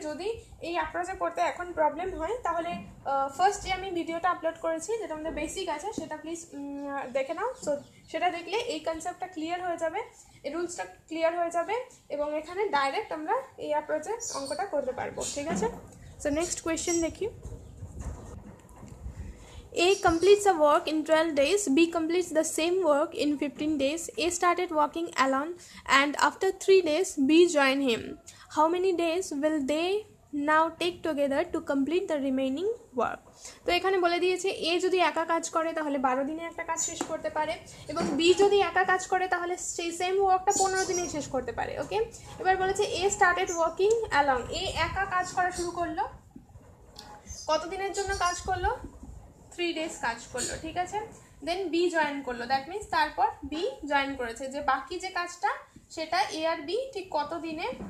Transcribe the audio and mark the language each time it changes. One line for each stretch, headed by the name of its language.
Bangla: যদি এই অ্যাপ্রোচে করতে এখন প্রবলেম হয়, তাহলে ফার্স্ট যে আমি ভিডিওটা আপলোড করেছি যেটা আমাদের বেসিক আছে সেটা প্লিজ দেখে নাও। সো সেটা দেখলে এই কনসেপ্টটা ক্লিয়ার হয়ে যাবে, রুলসটা ক্লিয়ার হয়ে যাবে, এবং এখানে ডাইরেক্ট আমরা এই অ্যাপ্রোচে অঙ্কটা করতে পারবো, ঠিক আছে? সো নেক্সট কোয়েশ্চেন দেখি,
English: A completes a work in 12 days. B completes the same work in 15 days. A started walking alone, and after 3 days, B joined him. How many days will they now take together to complete the remaining work?
Bangla: তো এখানে বলে দিয়েছে এ যদি একা কাজ করে তাহলে 12 দিনে একটা কাজ শেষ করতে পারে এবং বি যদি একা কাজ করে তাহলে সেই সেম ওয়ার্কটা 15 দিনে শেষ করতে পারে ওকে এবার বলেছে এ স্টার্টেড ওয়ার্কিং অ্যালং এ একা কাজ করা শুরু করলো কত দিনের জন্য কাজ করলো 3 ডেজ কাজ করলো ঠিক আছে দেন বি জয়েন করলো দ্যাট মিন্স তারপর বি জয়েন করেছে যে বাকি যে কাজটা সেটা এ আর বি ঠিক কত দিনে